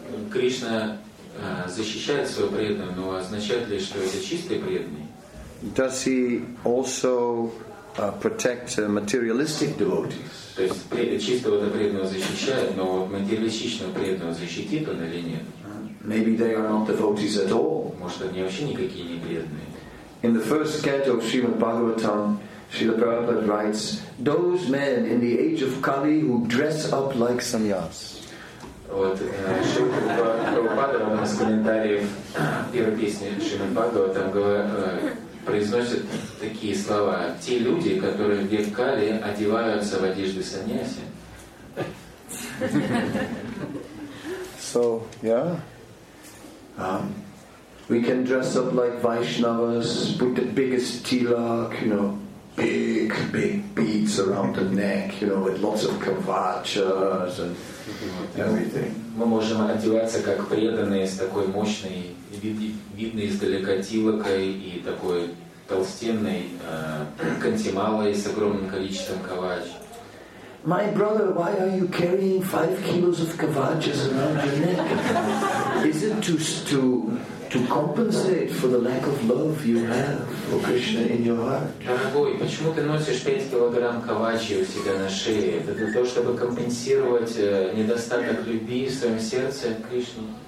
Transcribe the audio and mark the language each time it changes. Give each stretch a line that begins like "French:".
Russian: Кришна защищает своего преданного, но означает ли, что это чистый преданный?
English: Does he also protect materialistic devotees?
Russian: То есть чистого преданного защищает, но материалистичного преданного защитит он или нет?
English: Maybe they are not devotees at all.
Russian: Может, они вообще никакие не преданные.
English: In the first canto of Srimad Bhagavatam, Srila Prabhupada writes, those men in the age of Kali who dress up like sannyas.
Russian: Вот Шрила Прабхупада у нас в комментариях первой песни Шримад Бхагаватам произносит такие слова: те люди, которые в век Кали одеваются в одежды саньяси.
English: So, we can dress up like Vaishnavas, put the biggest tilak, you know, big beads around the neck, you know, with lots of kavachas and everything.
Russian: Мы можем одеваться как преданные с такой мощной, видно издалека тилакой и такой толстенной кантималой с огромным количеством кавач.
English: My brother, why are you carrying 5 kilos of kavachas around your neck? Is it to compensate for the lack of love you have for Krishna in your heart?
Russian: Дорогой, почему ты носишь 5 килограмм кавачи у себя на шее? Это для того, чтобы компенсировать недостаток любви в своем сердце к Кришне?